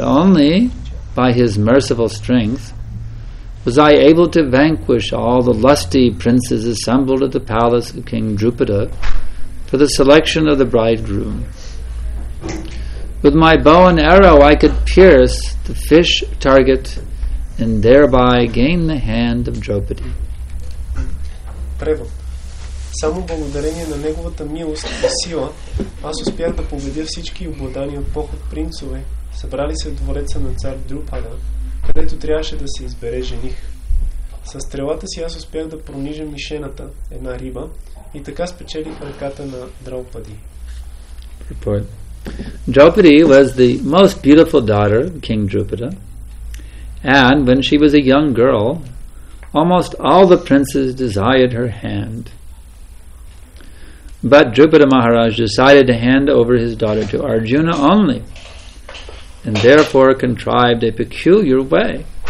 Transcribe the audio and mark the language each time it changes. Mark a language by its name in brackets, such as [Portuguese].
[English] Only by his merciful strength was I able to vanquish all the lusty princes assembled at the palace of King Drupada for the selection of the bridegroom. With my bow and arrow I could pierce the fish target and thereby gain the hand of Draupadi. [Bulgarian] Превод. Само благодарение на неговата милост и сила, аз успях да победя всички обладани от поход принцове, събрали се в двореца на цар Друпада, където трябваше да се избере жених. Със стрелата си аз успях да пронижа мишената, една риба, и така спечелих ръката на Драупади. [English] Report. Draupadi was the most beautiful daughter of King Drupada, and when she was a young girl, almost all the princes desired her hand. But Drupada Maharaj decided to hand over his daughter to Arjuna only, and therefore contrived a peculiar way.